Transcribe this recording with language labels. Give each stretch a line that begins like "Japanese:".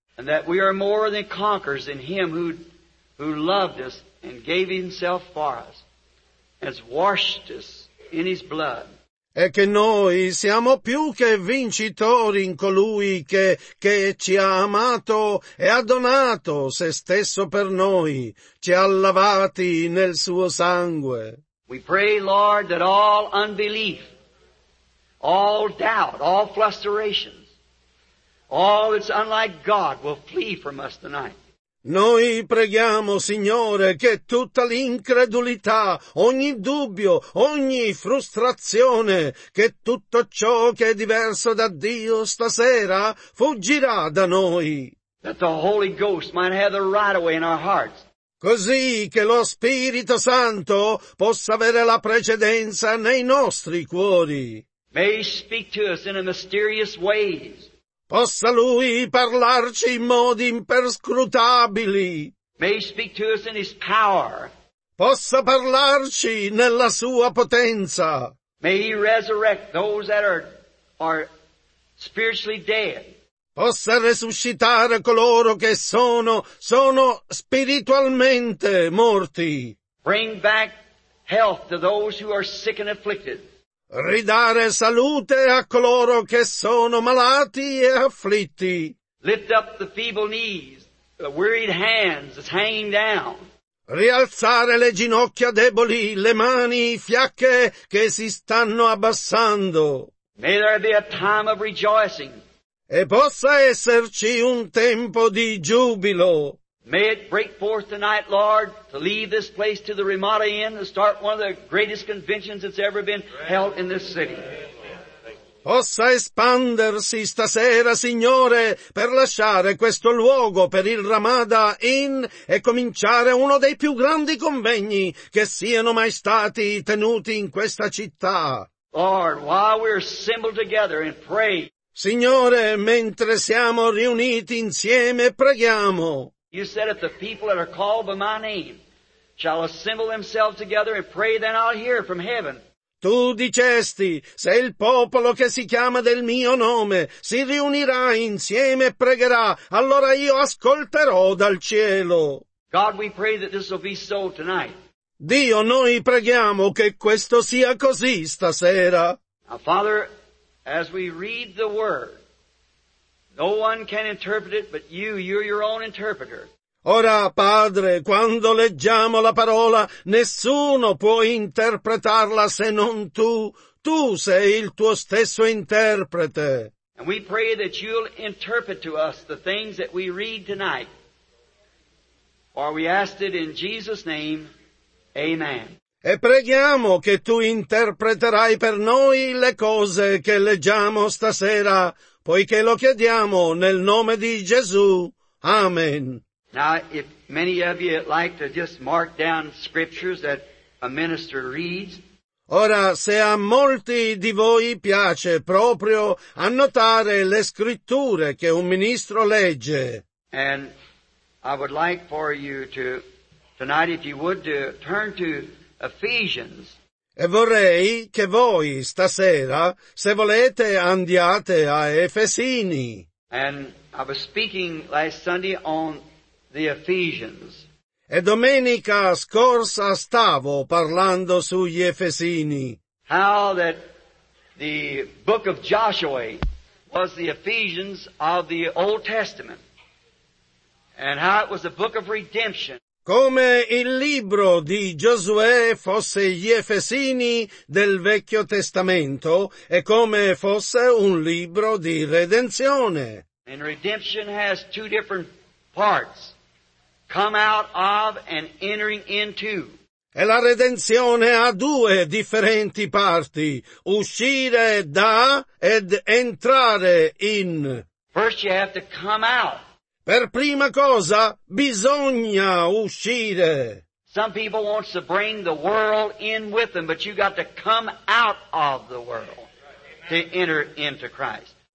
English: And that we are more than conquerors in Him who loved us and gave Himself for us, has washed us in His blood.
Italian: E che noi siamo più che vincitori in colui che ci ha amato e ha donato se stesso per noi, ci ha lavati nel suo sangue.
English: We pray, Lord, that all unbelief, all doubt, all frustrations, all that's unlike God will flee from us tonight.
Italian: Noi preghiamo, Signore, che tutta l'incredulità, ogni dubbio, ogni frustrazione, che tutto ciò che è diverso da Dio stasera fuggirà da noi.
English: That the Holy Ghost might have the right away in our hearts.
Italian: Così che lo Spirito Santo possa avere la precedenza nei nostri cuori.
English: May He speak to us in a mysterious way.
Italian: Possa Lui parlarci in modi imperscrutabili.
English: May He speak to us in His power.
Italian: Possa parlarci nella Sua potenza.
English: May He resurrect those that are spiritually dead.
Italian: Possa resuscitare coloro che sono spiritualmente morti.
English: Bring back health to those who are sick and afflicted.
Italian: Ridare salute a coloro che sono malati e afflitti.
English: Lift up the feeble knees, the wearied hands that's hanging down.
Italian: Rialzare le ginocchia deboli, le mani fiacche che si stanno abbassando.
English: May there be a time of rejoicing.
Italian: E possa esserci un tempo di giubilo.
English: May it break forth tonight, Lord, to leave this place to the Ramada Inn to start one of the greatest conventions that's ever been held in this city.
Italian: Possa espandersi stasera, Signore, per lasciare questo luogo per il Ramada Inn e cominciare uno dei più grandi convegni che siano mai stati tenuti in questa città.
English: Lord, while we're assembled together and pray.
Italian: Signore, mentre siamo riuniti insieme, preghiamo.
English: You said if the people that are called by my name shall assemble themselves together and pray, then I'll hear from heaven.
Italian: Tu dicesti, se il popolo che si chiama del mio nome si riunirà insieme e pregherà, allora io ascolterò dal cielo.
English: God, we pray that this will be so tonight.
Italian: Dio, noi preghiamo che questo sia così stasera.
English: Now, Father, as we read the word, no one can interpret it but you. You're your own interpreter.
Italian: Ora, Padre, quando leggiamo la parola, nessuno può interpretarla se non tu. Tu sei il tuo stesso interprete.
English: And we pray that you'll interpret to us the things that we read tonight. For we ask it in Jesus' name. Amen.
Italian: E preghiamo che tu interpreterai per noi le cose che leggiamo stasera, poiché lo chiediamo nel nome di Gesù. Amen.
English: Now, if many of you like to just mark down scriptures that a minister reads.
Italian: Ora, se a molti di voi piace proprio annotare le scritture che un ministro legge.
English: And I would like for you to, tonight if you would, to turn to Ephesians.
Italian: E vorrei che voi stasera, se volete, andiate a Efesini.
English: And I was speaking last Sunday on the Ephesians.
Italian: E domenica scorsa stavo parlando sugli Efesini.
English: How that the book of Joshua was the Ephesians of the Old Testament. And how it was a book of redemption.
Italian: Come il libro di Giosuè fosse gli Efesini del Vecchio Testamento e come fosse un libro di redenzione.
English: And redemption has two different parts, come out of and entering into.
Italian: E la redenzione ha due differenti parti, uscire da ed entrare in.
English: First you have to come out.
Italian: Per prima cosa, bisogna uscire.
English: Some people want to bring the world in with them, but you got to come out of the world to enter into Christ.